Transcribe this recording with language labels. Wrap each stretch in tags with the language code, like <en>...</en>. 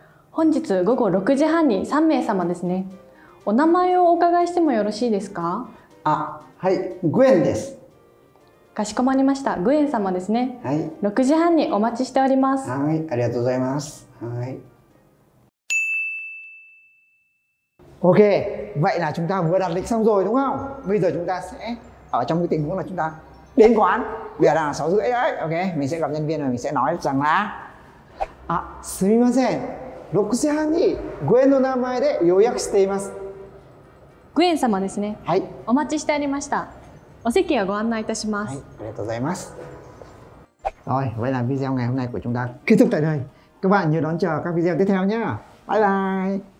<ja>本日午後6時半に3名様ですね。お名前をお伺いしてもよろしいですか？あ、はい、グエンです。かしこまりました。グエン様ですね。はい。 6時半にお待ちしております。はい、ありがとうございます。はい。</ja> <vi>OK, vậy là chúng ta vừa đặt lịch xong rồi đúng không? Bây giờ chúng ta sẽ ở trong cái tình huống là chúng ta đến quán. Bây giờ là 6:30 đấy. OK, mình sẽ gặp nhân viên và mình sẽ nói rằng là À,</vi> <ja>すみません. 6時半にグエンの名前で予約しています。グエン様ですね。はい。お待ちしておりました。お席をご案内いたします。はい、ありがとうございます。</ja> <vi>Rồi, vậy là video ngày hôm nay của chúng ta kết thúc tại đây. Các bạn nhớ đón chờ các video tiếp theo nhé. Bye bye!</vi>